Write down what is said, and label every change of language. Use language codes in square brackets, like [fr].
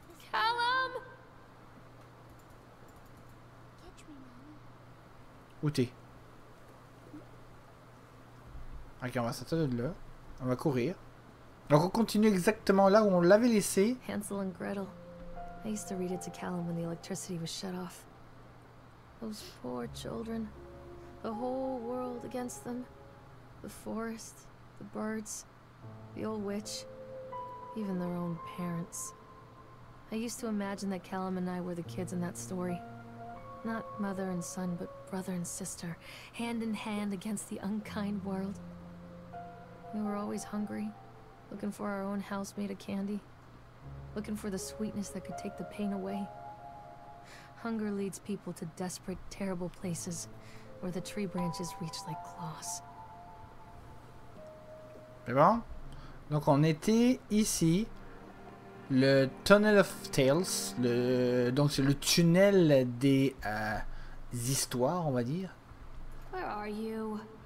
[fr] Callum! Où t'es? Ok, on va s'attendre de là. On va courir. Donc, on continue exactement là où on l'avait laissé. [en] Hansel and Gretel. I used to read it to Callum when the electricity was shut off. Those poor children. The whole world against them. The forest, the birds, the old witch, even their own parents. I used to imagine that Callum and I were the kids in that story. Not mother and son, but brother and sister, hand in hand against the unkind world. We were always hungry, looking for our own house made of candy, looking for the sweetness that could take the pain away. Hunger leads people to desperate, terrible places where the tree branches reach like claws. [fr] C'est bon? Donc on était ici, le Tunnel of Tales, donc c'est le tunnel des histoires, on va dire. [en] Where are you?